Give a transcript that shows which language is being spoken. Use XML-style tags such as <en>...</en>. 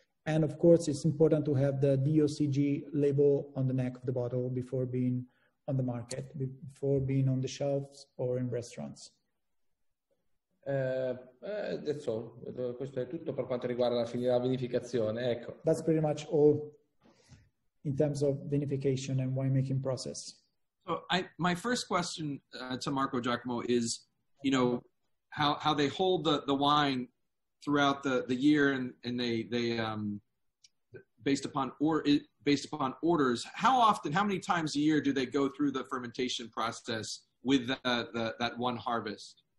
<en>And of course, it's important to have the DOCG label on the neck of the bottle before being on the market, before being on the shelves or in restaurants. That's all.</en> <it>Questo è tutto per quanto riguarda la finita vinificazione. Ecco.</it> <en>That's pretty much all in terms of vinification and winemaking process. So my first question to Marco Giacomo is, you know, how they hold the wine throughout the year and they based upon orders, how often, how many times a year do they go through the fermentation process with that one harvest?</en>